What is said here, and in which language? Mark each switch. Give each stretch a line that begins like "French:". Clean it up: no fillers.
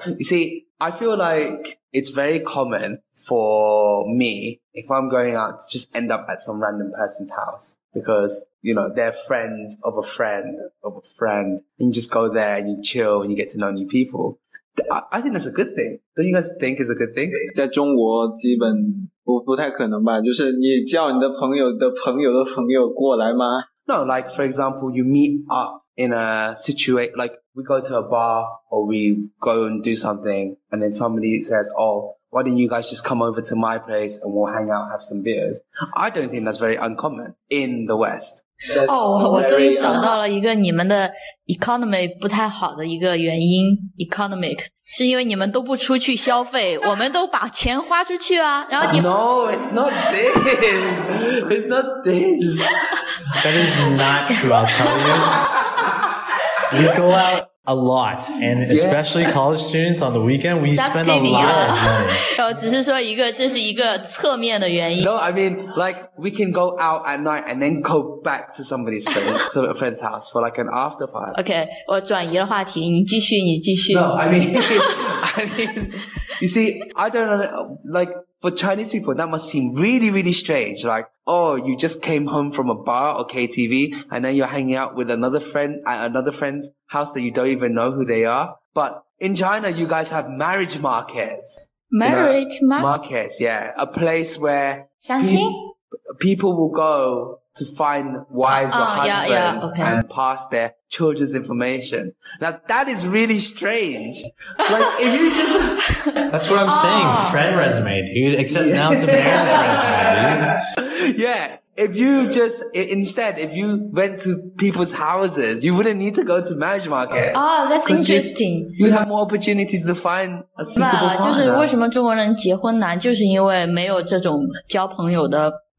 English: You see, I feel like it's very common for me, if I'm going out, to just end up at some random person's house. Because, you know, they're friends of a friend of a friend. And you just go there and you chill and you get to know new people. I think that's a good thing. Don't you guys think it's a good thing?
Chinese: 在中国基本 不太可能吧, 就是你叫你的朋友的朋友的朋友过来吗?
English: No, like for example, you meet up in a situation, like we go to a bar or we go and do something and then somebody says, oh, why don't you guys just come over to my place and we'll hang out, have some beers. I don't think that's very uncommon in the West.
Chinese: Oh, 我终于找到了一个你们的 economy 不太好的一个原因, economic. 是因为你们都不出去消费, 我们都把钱花出去啊, 然后你们...
English: No, it's not this. It's not this. That is not true, I'll tell you. We go out a lot, and especially college students on the weekend, we spend a lot of money.
Chinese: 只是说一个, 这是一个侧面的原因。
English: No, I mean, like, we can go out at night and then go back to somebody's friend's house for like an after party.
Chinese: Okay, 我转移了话题, 你继续, 你继续。
English: No, I mean, you see, I don't know, like, for Chinese people, that must seem really, really strange. Like, oh, you just came home from a bar or KTV, and then you're hanging out with another friend at another friend's house that you don't even know who they are. But in China, you guys have marriage markets. Marriage, you know, markets, yeah. A place where
Chinese: 相亲?
English: People will go to find wives or husbands yeah, okay. and pass their children's information. Now, that is really strange. Like, if you just... That's what I'm saying. Friend resume, dude. Except now it's a marriage resume, dude. Yeah. If you just... Instead, if you went to people's houses, you wouldn't need to go to marriage markets. Oh, that's interesting. You'd have more opportunities to find a suitable partner.
Chinese: 就是为什么中国人结婚难, 就是因为没有这种交朋友的...